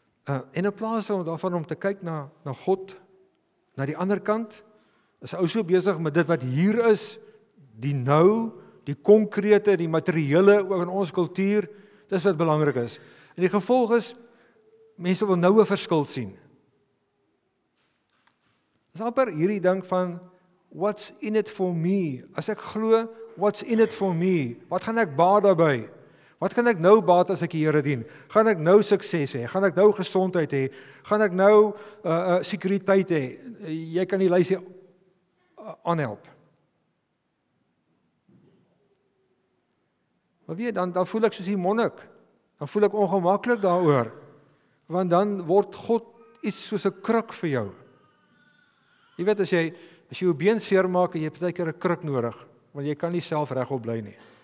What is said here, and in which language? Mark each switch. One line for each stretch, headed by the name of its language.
Afrikaans: En in plaas daarvan om te kyk na God, na die ander kant, is hy ou so besig met dit wat hier is, die nou, die konkrete, die materiële, ook in ons kultuur, dis wat belangrik is. En die gevolg is, mense wil nou 'n verskil sien. Dis amper hierdie ding van,
English: what's in it for me?
Afrikaans: As ek glo,
English: what's in it for me?
Afrikaans: Wat gaan ek baat daarby? Wat kan ek nou baat as ek die Here dien? Gaan ek nou sukses hê? Gaan ek nou gesondheid hê? Gaan ek nou sekuriteit hê? Jy kan die lysie aanhelp. Maar weet, dan voel ek soos die monnik. Dan voel ek ongemaklik daaroor. Want dan word God iets soos 'n kruk vir jou. Jy weet, as jy jou been seer maak, jy het baie keer 'n kruk nodig, want jy kan nie self regop bly nie.